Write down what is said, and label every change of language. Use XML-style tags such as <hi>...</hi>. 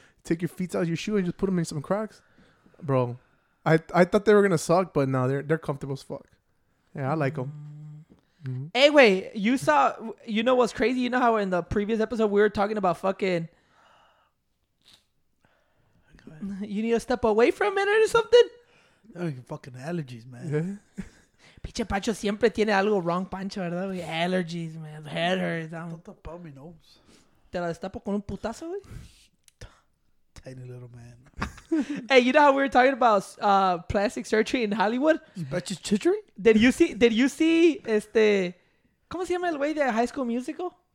<en>Take your feet out of your shoe and just put them in some Crocs. Bro, I thought they were going to suck, but no, they're comfortable as fuck. Yeah, I like them. Mm-hmm. Anyway, you saw, you know what's crazy? You know how in the previous episode we were talking about fucking... You need to step away for a minute or something? Oh, fucking allergies, man.</en> <es>Pinche Pancho siempre tiene algo wrong, Pancho, ¿verdad?</es> <en>Allergies, man. Head hurts. Don't talk about my nose.</en> <es>Te la destapo con un putazo, güey.</es> <en>Tiny little man. Hey, you know how we were talking about plastic surgery in Hollywood? You bet your chichery? Did you see, este...</en> <es>¿Cómo se llama el güey de High School Musical?</es>